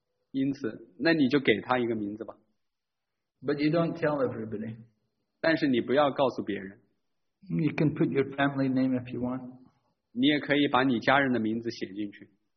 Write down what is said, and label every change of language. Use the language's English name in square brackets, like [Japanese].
[Chinese] 因此，那你就给他一个名字吧。 [English] But you don't tell everybody. [Chinese] 但是你不要告诉别人。 [English] You can put your family name if you want. [Chinese] 你也可以把你家人的名字写进去。